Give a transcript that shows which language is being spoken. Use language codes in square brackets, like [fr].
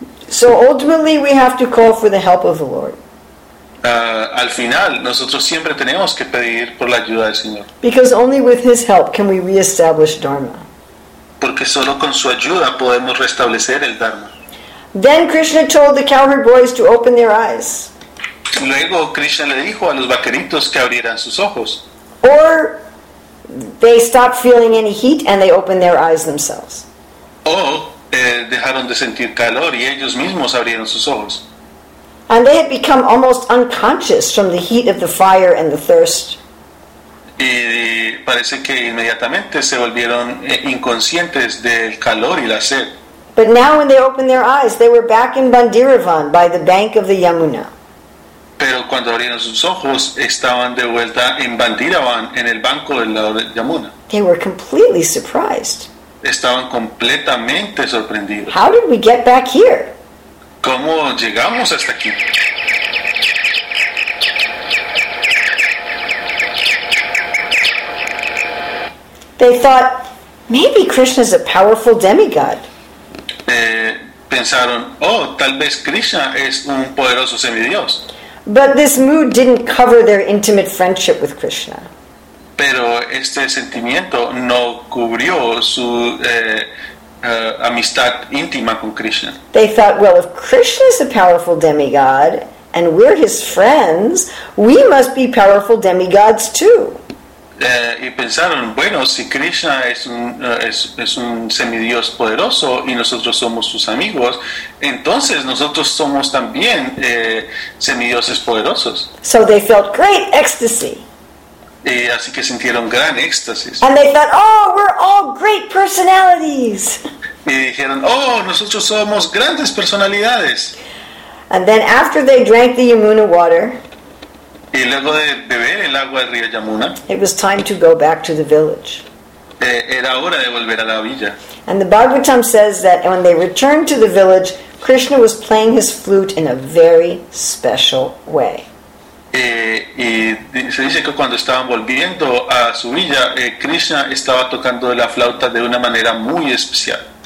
[en] So ultimately we have to call for the help of the Lord. [es] Al final nosotros siempre tenemos que pedir por la ayuda del Señor. [en] Because only with his help can we reestablish dharma. [es] Porque solo con su ayuda podemos restablecer el dharma. [en] Then Krishna told the cowherd boys to open their eyes. [es] Luego Krishna le dijo a los vaqueritos que abrieran sus ojos. [en] Or they stopped feeling any heat and they opened their eyes themselves. [es] Dejaron de sentir calor y ellos mismos abrieron sus ojos. [en] And they had become almost unconscious from the heat of the fire and the thirst. [es] Y parece que inmediatamente se volvieron inconscientes del calor y la sed. [en] But now when they opened their eyes, they were back in Bandiravan by the bank of the Yamuna. [es] Pero cuando abrieron sus ojos, estaban de vuelta en Bandiravan, en el banco del lado de Yamuna. [en] They were completely surprised. [es] Estaban completamente sorprendidos. [en] How did we get back here? [es] ¿Cómo llegamos hasta aquí? [en] They thought, maybe Krishna is a powerful demigod. [es] Pensaron, oh, tal vez Krishna es un poderoso semidios. [en] But this mood didn't cover their intimate friendship with Krishna. [es] Pero este sentimiento no cubrió su amistad íntima con Krishna. [en] They thought, well, if Krishna is a powerful demigod and we're his friends, we must be powerful demigods too. [es] Y pensaron, bueno, si Krishna es un semidios poderoso y nosotros somos sus amigos, entonces nosotros somos también semidioses poderosos. [en] So they felt great ecstasy. [es] Y así que sintieron gran éxtasis. [en] And they thought, oh, we're all great personalities. [es] Y dijeron, oh, nosotros somos grandes personalidades. [en] And then after they drank the Yamuna water, [es] y luego de beber el agua del río Yamuna, [en] it was time to go back to the village. [es] Era hora de volver a la villa. [en] And the Bhagavatam says that when they returned to the village, Krishna was playing his flute in a very special way. [es] Y se dice que cuando estaban volviendo a su villa, Krishna estaba tocando la flauta de una manera muy especial.